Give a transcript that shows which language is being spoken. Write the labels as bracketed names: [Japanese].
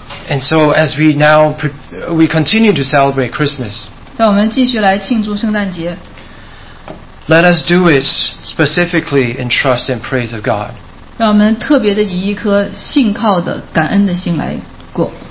[English] And so as we now we continue to celebrate Christmas, [Chinese] 让我们继续来庆祝圣诞节。 [English] Let us do it specifically in trust and praise of God, [Chinese] 让我们特别的以一颗信靠的感恩的心来过。